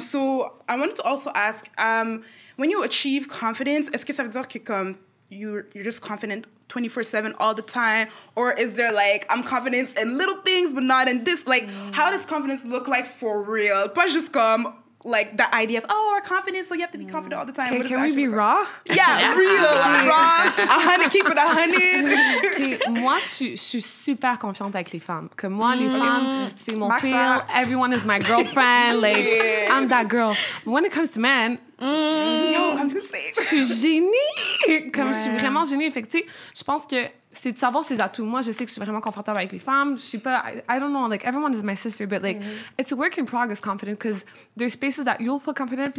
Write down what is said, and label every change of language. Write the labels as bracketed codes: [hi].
[en] So I wanted to also ask, when you achieve confidence, [fr] est-ce que ça veut dire que comme [en] you're just confident 24/7 all the time, or is there like I'm confident in little things but not in this? Like, how does confidence look like for real? [fr] Pas juste comme [en] like the idea of our confidence, so you have to be confident all the time. Can we be raw? Yeah, real raw. 100, keep it 100. [fr] Okay, moi, je suis super confiante avec les femmes. Comme moi, les femmes, c'est mon feel. [en] Everyone is my girlfriend. Like, I'm that girl. But when it comes to men. Yo, I'm the same. [fr] Je suis génie. Comme je suis vraiment génie. Fait que, tu sais, je pense que c'est de savoir ses atouts. Moi, je sais que je suis vraiment confortable avec les femmes. Je suis pas. [en] I don't know. Like, everyone is my sister, but like, it's a work in progress, confident, because there's spaces that you'll feel confident.